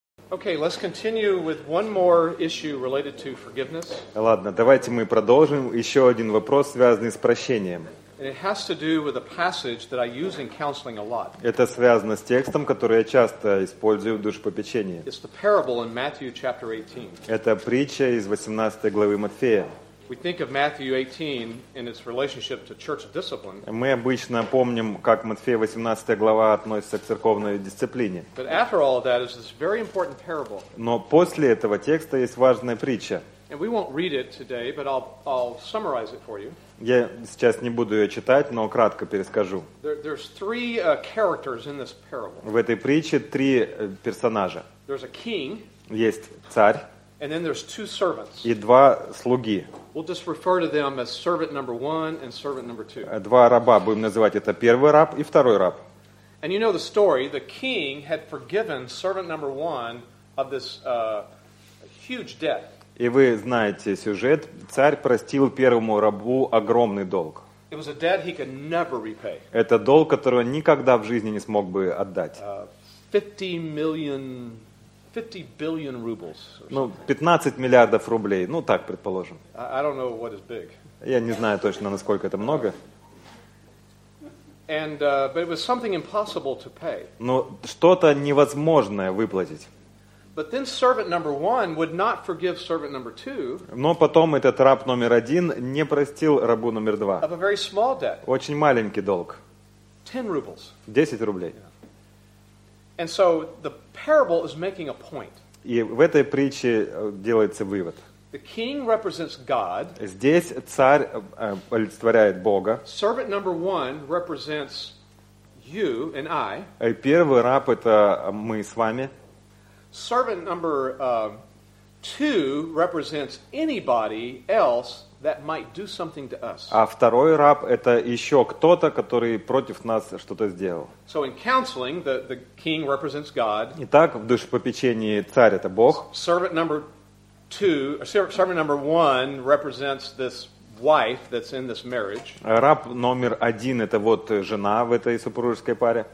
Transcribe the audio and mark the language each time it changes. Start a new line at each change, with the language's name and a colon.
English: Okay, let's continue with one more issue related to forgiveness.
Russian: Ладно, давайте мы продолжим еще один вопрос, связанный с прощением.
English: And it has to do with a passage that I use in counseling a lot.
Russian: Это связано с текстом, который я часто использую в душепопечении.
English: It's the parable in Matthew chapter 18.
Russian: Это притча из 18 главы Матфея.
English: We think of Matthew 18 in its relationship to church discipline.
Russian: Мы обычно помним, как Матфея 18 глава относится к церковной дисциплине.
English: But after all of that is this very important parable.
Russian: Но после этого текста есть важная притча.
English: And we won't read it today, but I'll summarize it for you.
Russian: Я сейчас не буду ее читать, но кратко перескажу.
English: There's three characters in this parable.
Russian: В этой притче три персонажа.
English: There's a king.
Russian: Есть царь.
English: And then there's two servants.
Russian: И два слуги.
English: We'll just refer to them as servant number one and servant number two.
Russian: Два раба будем называть, это первый раб и второй раб.
English: And you know the story, the king had forgiven servant number one of this huge debt.
Russian: И вы знаете сюжет, царь простил первому рабу огромный долг.
English: It was a debt he could never repay.
Russian: Это долг, который он никогда в жизни не смог бы отдать.
English: 50 billion rubles.
Russian: Ну, 15 миллиардов рублей, ну так предположим.
English: I don't know what is big.
Russian: Я не знаю точно, насколько это много.
English: And, but it was something impossible to pay.
Russian: Но что-то невозможное выплатить.
English: But then servant number one would not forgive servant number two.
Russian: Но потом этот раб номер один не простил рабу номер два.
English: Of a very small debt.
Russian: Очень маленький долг.
English: 10 rubles.
Russian: 10 рублей.
English: And so the parable is making a point.
Russian: И в этой притче делается вывод.
English: The king represents God.
Russian: Здесь царь олицетворяет Бога.
English: Servant number one represents you and I.
Russian: И первый раб это мы с вами.
English: Servant number two represents anybody else that might do something to us.
Russian: А второй раб это еще кто-то, который против нас что-то сделал.
English: So in counseling, the king represents God.
Russian: Итак, в душепопечении царь это Бог.
English: Servant number two, servant number one represents this wife that's in this marriage.
Russian: Раб номер один это вот жена в этой супружеской паре.